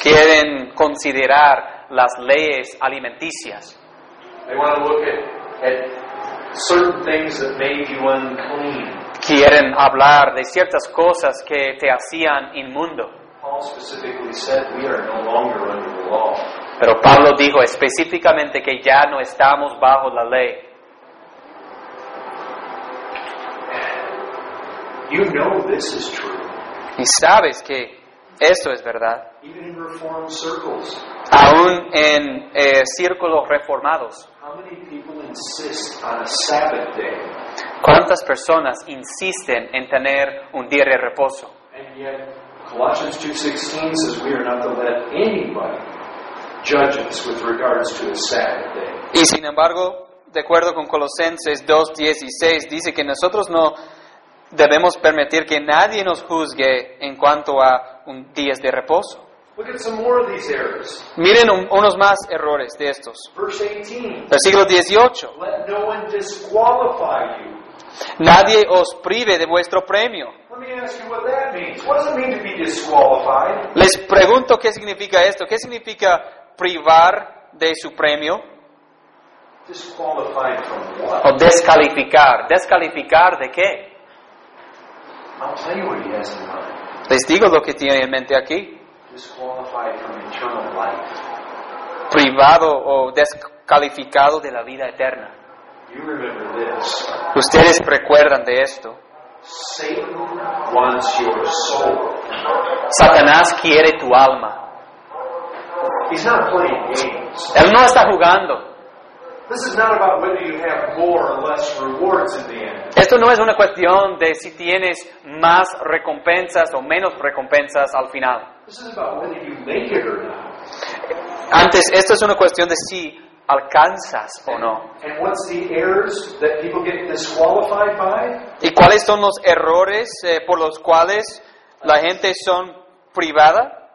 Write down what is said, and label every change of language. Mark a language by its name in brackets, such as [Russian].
[Spanish] Quieren considerar las leyes alimenticias. [English] They want to look at certain things that made you unclean. [Spanish] Quieren hablar de ciertas cosas que te hacían inmundo. [English] Paul specifically said we are no longer under the law. [Spanish] Pero Pablo dijo específicamente que ya no estamos bajo la ley. [English] You know this is true. [Spanish] Y sabes que eso es verdad. [English] Even in reformed circles. [Spanish] Aún en círculos reformados. [English] How many people insist on a Sabbath day? [Spanish] ¿Cuántas personas insisten en tener un día de reposo? [English] And yet, Colossians 2:16 says we are not to let anybody judge us with regards to a Sabbath day. [Spanish] Y sin embargo, de acuerdo con Colosenses 2:16, dice que nosotros no debemos permitir que nadie nos juzgue en cuanto a un día de reposo. [English] Look at some more of these errors. [Spanish] Miren unos más errores de estos. [English] Verse 18. [Spanish] Versículo 18. [English] Let no one disqualify you. [Spanish] Nadie os prive de vuestro premio. [English] Let me ask you what that means. What does it mean to be disqualified? [Spanish] Les pregunto qué significa esto. ¿Qué significa privar de su premio? [English] Disqualified from what? [Spanish] O descalificar. ¿Descalificar de qué? [English] I'll tell you what he has in mind. [Spanish] Les digo lo que tiene en mente aquí. [English] Disqualified from eternal life. [Spanish] Privado o descalificado de la vida eterna. [English] You remember this. [Spanish] Ustedes recuerdan de esto. [English] Satan wants your soul. [Spanish] Satanás quiere tu alma. [English] He's not playing games. [Spanish] Él no está jugando. [English] This is not about whether you have more or less rewards in the end. [Spanish] Esto no es una cuestión de si tienes más recompensas o menos recompensas al final. [English] This is about whether you make it or not. [Spanish] Antes, esto es una cuestión de si alcanzas o no. [English] And what's the errors that people get disqualified by? [Spanish] ¿Y cuáles son los errores por los cuales la gente son privada?